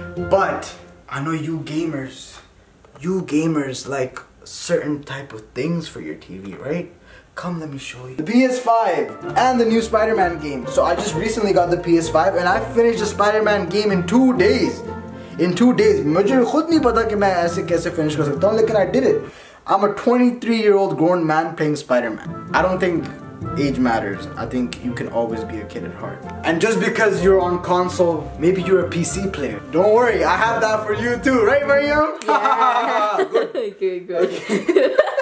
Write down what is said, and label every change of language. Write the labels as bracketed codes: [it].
[en] But I know you gamers like certain type of things for your TV, right? Come, let me show you. The PS5 and the new Spider-Man game. So I just recently got the PS5 and I finished the Spider-Man game in 2 days. in 2 days. [hi] मुझे खुद नहीं पता कि मैं ऐसे कैसे finish कर सकता हूँ, लेकिन [en] I did it. I'm a 23-year-old grown man playing Spider-Man. I don't think age matters. I think you can always be a kid at heart. And just because you're on console, maybe you're a PC player. Don't worry, I have that for you too, right, Mariam? Yeah. Good.